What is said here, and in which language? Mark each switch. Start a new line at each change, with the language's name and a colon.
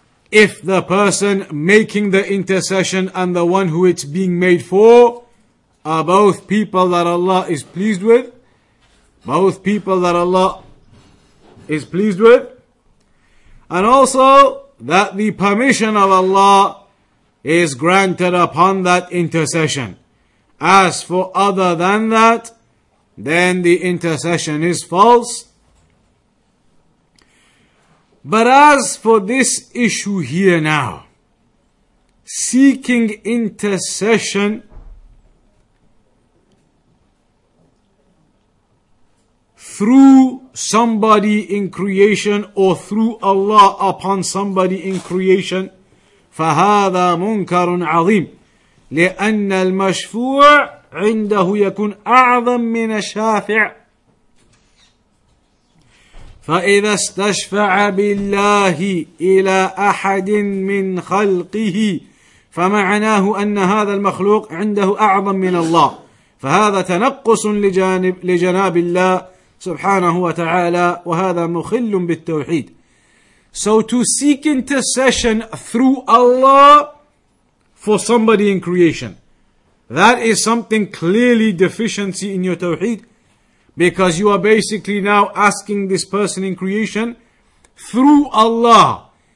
English: If the person making the intercession and the one who it's being made for are both people that Allah is pleased with, both people that Allah is pleased with, and also that the permission of Allah is granted upon that intercession. As for other than that, then the intercession is false. But as for this issue here now, seeking intercession, through somebody in creation or through Allah upon somebody in creation,
Arabic: فهذا منكر عظيم لأن المشفوع عنده يكون أعظم من الشافع فإذا استشفع بالله إلى أحد من خلقه فمعناه أن هذا المخلوق عنده أعظم من الله فهذا تنقص لجناب الله سبحانه وتعالى وهذا مخل بالتوحيد.
English: So to seek intercession through Allah for somebody in creation, that is something clearly deficiency in your tawheed, because you are basically now asking this person in creation through Allah.